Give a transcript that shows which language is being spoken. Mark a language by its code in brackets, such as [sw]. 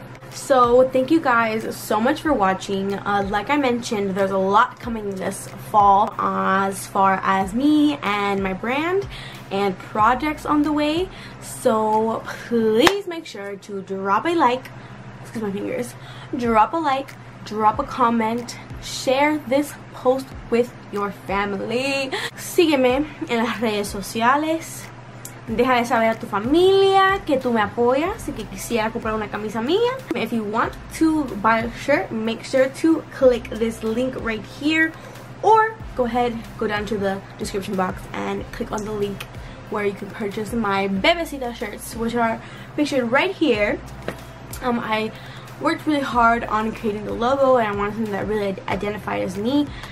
[en] So thank you guys so much for watching. Like I mentioned, there's a lot coming this fall as far as me and my brand and projects on the way. So please make sure to drop a like, excuse my fingers, drop a like, drop a comment, share this post with your family. [es] Sígueme en las redes sociales. Deja de saber a tu familia que tú me apoyas y que quisiera comprar una camisa mía. [en] If you want to buy a shirt, make sure to click this link right here, or go ahead, go down to the description box and click on the link where you can purchase my Bebecita shirts, which are pictured right here. I worked really hard on creating the logo, and I wanted something that really identified as me.